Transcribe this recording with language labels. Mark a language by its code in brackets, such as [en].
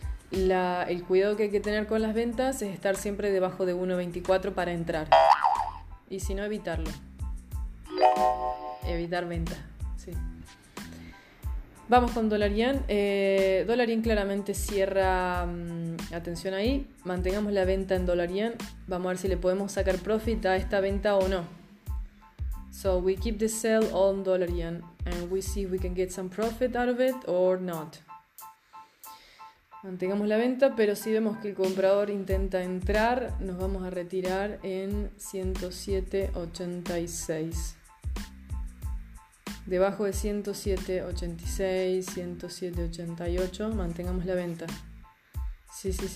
[es] El cuidado que hay que tener con las ventas es estar siempre debajo de 1.24 para entrar. Y si no, evitarlo. Evitar venta, sí. Vamos con dólar yen. Dólar yen claramente cierra, atención ahí, mantengamos la venta en dólar yen. Vamos a ver si le podemos sacar profit a esta venta o no. [en] So we keep the sell on dólar yen and we see if we can get some profit out of it or not. [es] Mantengamos la venta, pero si vemos que el comprador intenta entrar, nos vamos a retirar en 107.86. Debajo de 107.86, 107.88, mantengamos la venta. Sí.